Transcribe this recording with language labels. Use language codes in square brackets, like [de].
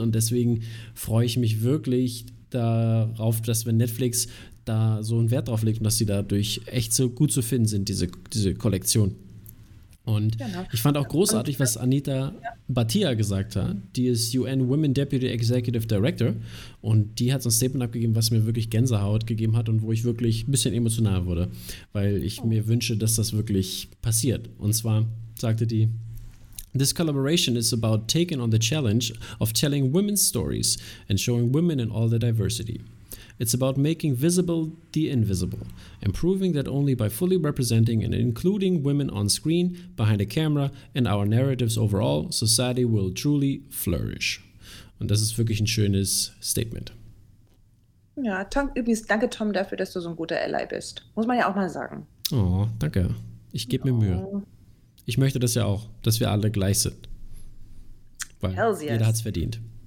[de] Und deswegen freue ich mich wirklich darauf, dass wenn Netflix da so einen Wert drauf legt und dass sie dadurch echt so gut zu finden sind, diese Kollektion. Und genau. Ich fand auch großartig, was Anita Bhatia gesagt hat. Die ist UN Women Deputy Executive Director und die hat so ein Statement abgegeben, was mir wirklich Gänsehaut gegeben hat und wo ich wirklich ein bisschen emotional wurde, weil ich mir wünsche, dass das wirklich passiert. Und zwar sagte die: [en] This collaboration is about taking on the challenge of telling women's stories and showing women in all their diversity. It's about making visible the invisible and proving that only by fully representing and including women on screen, behind a camera and our narratives overall, society will truly flourish. [de] Und das ist wirklich ein schönes Statement. Ja, übrigens danke Tom dafür, dass du so ein guter Ally bist. Muss man ja auch mal sagen. Oh, danke. Ich gebe mir Mühe. Ich möchte das ja auch, dass wir alle gleich sind. Weil Hells jeder hat's verdient.